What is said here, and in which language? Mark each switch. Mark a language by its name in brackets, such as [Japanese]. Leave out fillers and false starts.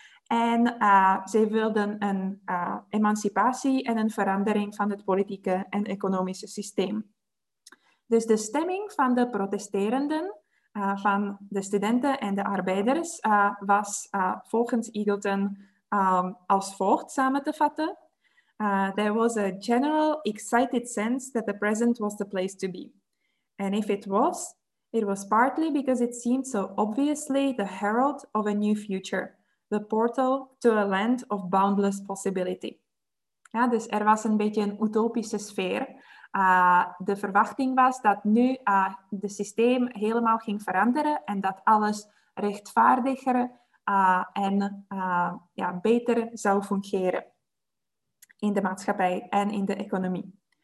[Dutch] En ze wilden een emancipatie en een verandering van het politieke en economische systeem. Dus de stemming van de protesterenden, van de studenten en de arbeiders, was volgens Eagleton als volgt samen te vatten. [English] There was a general excited sense that the present was the place to be. And if it was partly because it seemed so obviously the herald of a new future, the portal to a land of boundless possibility. [Dutch] Ja, dus er was een beetje een utopische sfeer. De verwachting was dat nu de systeem helemaal ging veranderen en dat alles rechtvaardiger en beter zou fungeren in de maatschappij en in de economie.